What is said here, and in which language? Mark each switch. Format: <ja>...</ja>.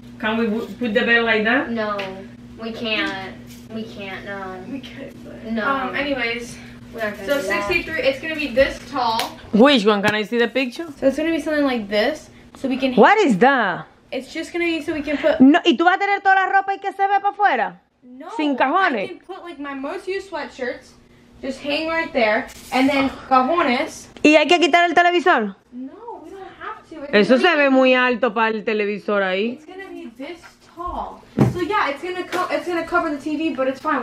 <en>Can we put the bed like that? No, we can't. We can't, no. We can't. No. Anyways. So 63, it's gonna be this tall. Which one? Can I see the picture? So it's gonna be something like this, so we can. What is that? It's just gonna be so we can put.</en> <es>No, ¿y tú vas a tener toda la ropa y que se ve para afuera? No. Sin cajones.</es> <en>I can put like my most used sweatshirts, just hang right there, and then cajones.</en> <es>¿Y hay que quitar el televisor?</es> <en>No, we don't have to.</en> <es>Eso se ve muy alto para el televisor ahí.</es> <en>It's gonna be this tall. So yeah, it's gonna cover the TV, but it's fine.</en>